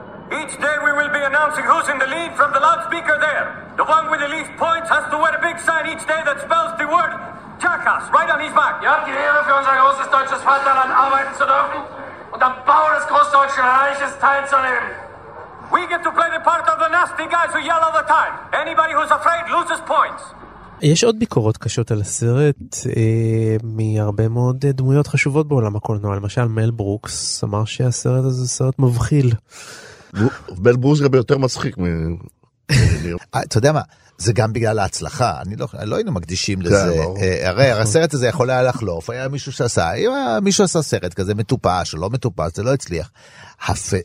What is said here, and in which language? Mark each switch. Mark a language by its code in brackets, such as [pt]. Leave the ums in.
[en] Each day we will be announcing who's in the lead from the loudspeaker there. The one with the least points has to wear a big sign each day that spells the word Tarkas right on his back. [de] Ihr habt die Ehre, für unser großes deutsches Vaterland arbeiten zu dürfen und am Bau des Großdeutschen Reiches teilzunehmen. [en] We get to play the part of the nasty guys who yell all the time. Anybody who's afraid loses points. [he] יש עוד ביקורות קשות על הסרט אה, מהרבה מאוד דמויות חשובות בעולם הקולנוע, למשל מל ברוקס אמר שהסרט הזה סרט מבחיל. מל ברוקס גם יותר מצחיק. מ... אתה יודע מה, זה גם בגלל ההצלחה, אני לא, לא היינו מקדישים לזה, הרי הסרט הזה יכול היה לחלוף, היה מישהו שעשה, היה מישהו עשה סרט כזה מטופש או לא מטופש, זה לא הצליח. הפ...